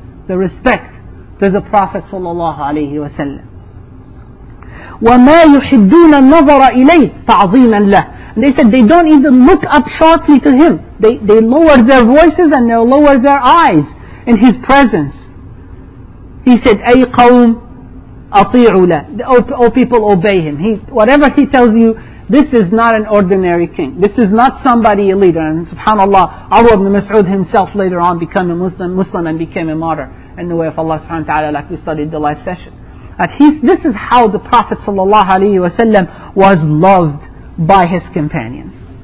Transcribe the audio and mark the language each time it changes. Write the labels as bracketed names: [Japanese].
[English] The respect to the Prophet sallallahu alayhi wa sallam. [Arabic] وَمَا يُحِبُّونَ النَّظَرَ إِلَيْهِ تَعْظِيمًا لَهُ. [English] And they said they don't even look up sharply to him. They lower their voices and they lower their eyes in his presence. He said, [Arabic] أَيْ قَوْمْ أَطِيعُوا لَهُ. [English] O people, obey him. Whatever he tells you, this is not an ordinary king. This is not somebody, a leader. And subhanAllah, Abu ibn Mas'ud himself later on became a Muslim and became a martyr in the way of Allah subhanahu wa ta'ala, like we studied the last session. This is how the Prophet sallallahu alayhi wa sallam was loved by his companions.